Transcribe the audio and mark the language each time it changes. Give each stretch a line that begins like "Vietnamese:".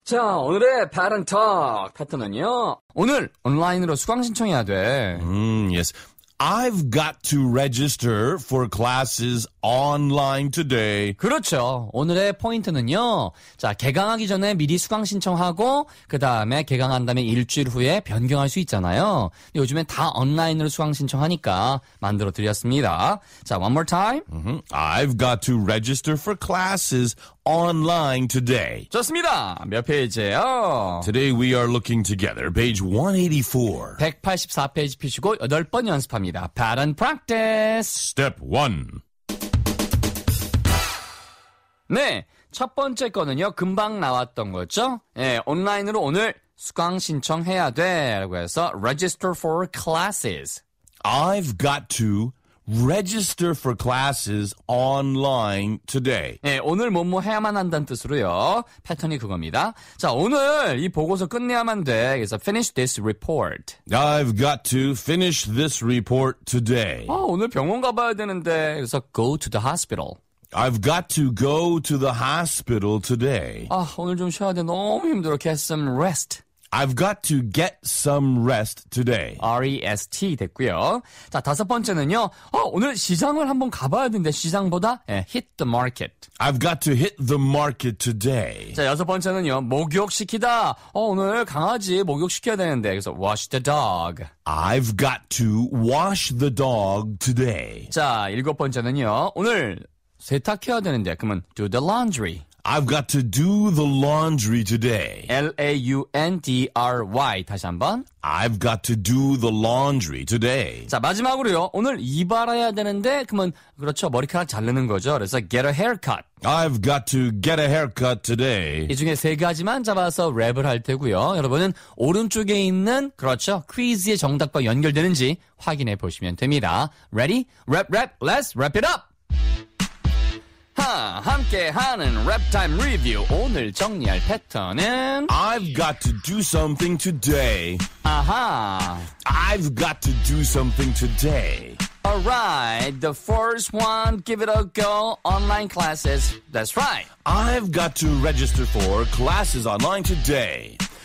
Korean: 자, 오늘의 Parent Talk 패턴은요. 오늘 온라인으로 수강 신청해야 돼.
English: Yes. I've got to register for classes online today.
Korean: 그렇죠. 오늘의 포인트는요. 자, 개강하기 전에 미리 수강 신청하고 그다음에 개강한 다음에 일주일 후에 변경할 수 있잖아요. 요즘엔 다 온라인으로 수강 신청하니까 만들어 드렸습니다.
English: 자, one more time. Mm-hmm. I've got to register for classes online today.
Korean: 좋습니다. 몇 페이지예요?
English: Today we are looking together. Page 184.
Korean: 184페이지 펴시고 8번 연습합니다.
English: Pattern practice. Step 1.
Korean: 네, 첫 번째 거는요. 금방 나왔던 거죠? 예, 네, 온라인으로 오늘 수강 신청해야 돼라고 해서
English: register for classes. I've got to register for classes online today.
Korean: 네, 오늘 뭐뭐 해야만 한다는 뜻으로요. 패턴이 그겁니다. 자, 오늘 이 보고서 끝내야만 돼.
English: 그래서 finish this report. I've got to finish this report today.
Korean: 아, 오늘 병원 가봐야 되는데.
English: 그래서 go to the hospital. I've got to go to the hospital today.
Korean: 아, 오늘 좀 쉬어야 돼. 너무 힘들어.
English: Get some rest. I've got to get some rest today.
Korean: R-E-S-T 됐고요. 자, 다섯 번째는요. 어, 오늘 시장을 한번 가봐야 되는데 시장보다 예,
English: hit the market. I've got to hit the market today.
Korean: 자, 여섯 번째는요. 목욕시키다. 어, 오늘 강아지 목욕시켜야 되는데 그래서
English: wash the dog. I've got to wash the dog today.
Korean: 자, 일곱 번째는요. 오늘 세탁해야 되는데 그러면
English: do the laundry. I've got to do the laundry today.
Korean: L-A-U-N-D-R-Y. 다시 한번.
English: I've got to do the laundry today.
Korean: 자, 마지막으로요. 오늘 이발해야 되는데, 그러면, 그렇죠. 머리카락 자르는 거죠.
English: 그래서 get a haircut. I've got to get a haircut today.
Korean: 이 중에 세 가지만 잡아서 랩을 할 테고요. 여러분은 오른쪽에 있는, 그렇죠. 퀴즈의 정답과 연결되는지 확인해 보시면 됩니다.
English: Ready? Rap, rap. Let's wrap it up.
Korean: 함께하는 랩타임 리뷰 오늘 정리할 패턴은
English: I've got to do something today. 아하. I've got to do something today. Alright, the first one, give it a go, online classes. That's right. I've got to register for classes online today.